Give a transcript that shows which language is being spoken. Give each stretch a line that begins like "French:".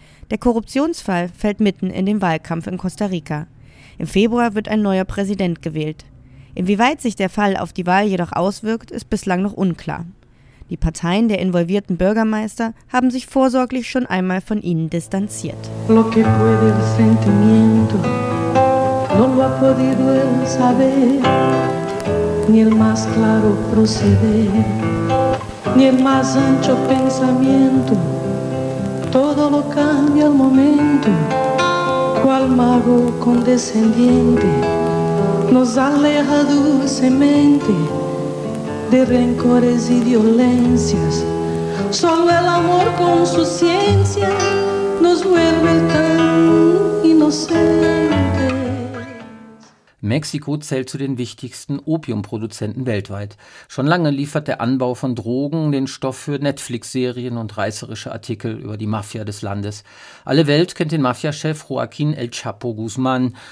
German: Der Korruptionsfall fällt mitten in den Wahlkampf in Costa Rica. Im Februar wird ein neuer Präsident gewählt. Inwieweit sich der Fall auf die Wahl jedoch auswirkt, ist bislang noch unklar. Die Parteien der involvierten Bürgermeister haben sich vorsorglich schon einmal von ihnen distanziert.
Spanish: Lo que puede el sentimiento, no lo ha podido él saber, ni el más claro proceder, ni el más ancho pensamiento. Todo lo cambia al momento, cual mago condescendiente nos aleja dulcemente de rencores y violencias. Solo el amor con su ciencia nos
German: Mexiko zählt zu den wichtigsten Opiumproduzenten weltweit. Schon lange liefert der Anbau von Drogen den Stoff für Netflix-Serien und reißerische Artikel über die Mafia des Landes. Alle Welt kennt den Mafia-Chef Joaquin El Chapo Guzman.